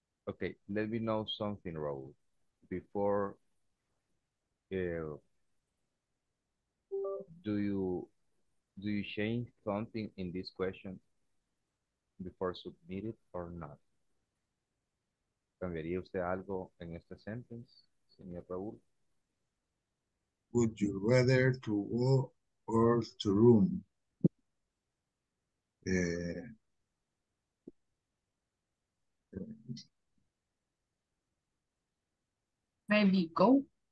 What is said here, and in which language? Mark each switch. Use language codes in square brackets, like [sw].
[en] Okay, let me know something, Raul, before do you change something in this question before submit it or not? [es] ¿Cambiaría usted algo en esta sentence, señor Raul? [en] Would you rather to walk or to run? Maybe go.